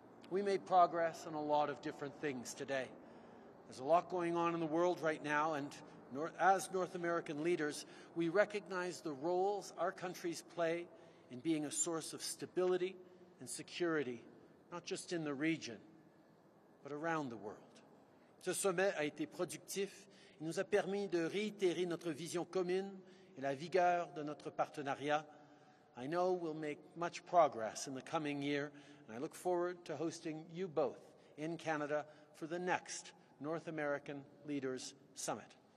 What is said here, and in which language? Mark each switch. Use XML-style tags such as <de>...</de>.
<en>We made progress on a lot of different things today. There's a lot going on in the world right now, and as North American leaders, we recognize the roles our countries play in being a source of stability and security, not just in the region, but around the world.</en> <fr>Ce sommet a été productif et nous a permis de réitérer notre vision commune et la vigueur de notre partenariat.</fr> <en>I know we'll make much progress in the coming year, and I look forward to hosting you both in Canada for the next North American Leaders Summit.</en>